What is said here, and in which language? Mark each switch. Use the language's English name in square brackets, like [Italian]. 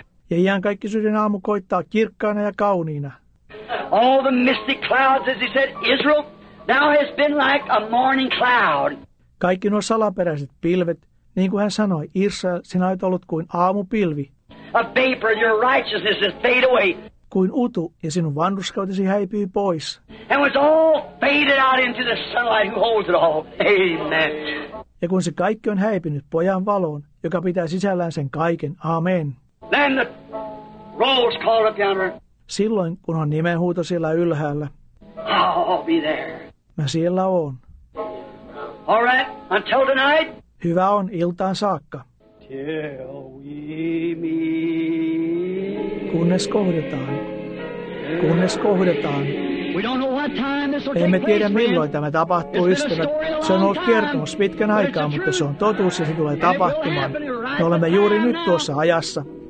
[Finnish] Ja iankaikkisyyden aamu koittaa kirkkaana ja kauniina. [English] All the misty clouds, as he said, Israel, now has been like a morning cloud. [Finnish] Kaikki nuo salaperäiset pilvet, niin kuin hän sanoi, Israel, sinä olet ollut kuin aamupilvi. [English] A vapor and your righteousness has faded away. [Finnish] Kuin utu, ja sinun vanhurskautesi häipyy pois. [English] And was all faded out into the sunlight who holds it all. Amen. [Finnish] Ja kun se kaikki on häipynyt pojan valoon, joka pitää sisällään sen kaiken. [English] Amen. Then the rolls called up yonder. [Finnish] Silloin, kun on nimenhuuto siellä ylhäällä. [English] I'll be there. [Finnish] Mä siellä oon. [English] All right, until tonight. [Finnish] Hyvä on, iltaan saakka. [English] Till we meet. [Finnish] Kunnes kohdataan. Kunnes kohdataan. [English] We don't know what time this will [Finnish] emme tiedä [English] place, [Finnish] milloin tämä tapahtuu, ystävät. Se on ollut kertomus pitkän aikaa, mutta se on totuus ja se tulee tapahtumaan. Me olemme juuri nyt tuossa ajassa.